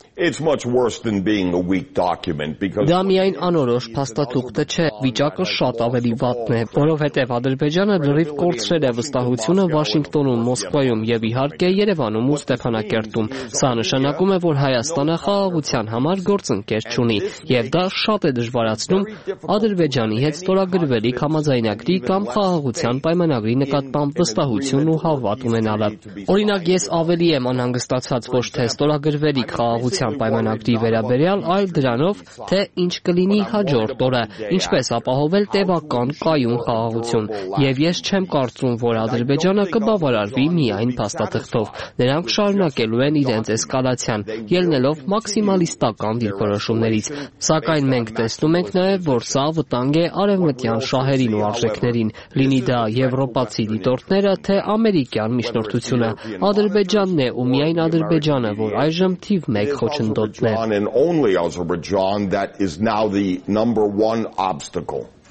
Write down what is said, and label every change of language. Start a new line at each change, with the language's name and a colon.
English: It's much worse than being a weak document because
Armenian: Դա միայն անորոշ փաստաթուղթը չէ, վիճակը շատ ավելի վատն է, որովհետև Ադրբեջանը լրիվ կորցրել է վստահությունը Վաշինգտոնում, Մոսկվայում եւ իհարկե Երևանում ու Ստեփանակերտում։ Սա նշանակում է, որ Հայաստանը խաղաղության համար գործընկեր չունի, եւ դա շատ է դժվարացնում Ադրբեջանի հետ ստորագրվելիք համաձայնագրի կամ խաղաղության պայմանագրի նկատմամբ վստահություն ու հավատ ունենալը։ Օրինակ, ես ավելի եմ անհանգստացած ոչ թե ստորագրվելիք խաղաղության պայմանագրի վերաբերյալ, այլ դրանով, թե ինչ կլինի հաջորդ օրը, ինչպես ապահովել տևական կայուն խաղաղություն, եւ ես չեմ կարծում, որ Ադրբեջանը կբավարարվի միայն փաստաթղթով։ Նրանք շարունակելու են իրենց էսկալացիան, ելնելով մաքսիմալիստական դիրքորոշումներից, սակայն մենք տեսնում ենք նաեւ, որ սա վտանգ է արևմտյան շահերին ու արժեքներին, լինի դա եվրոպացի դիտորդները, թե ամերիկյան միջնորդությունը։ Ադրբեջանն է ու միայն Ադրբեջանը, որ այժմ թիվ
English: Azerbaijan and only Azerbaijan that is now the number one obstacle.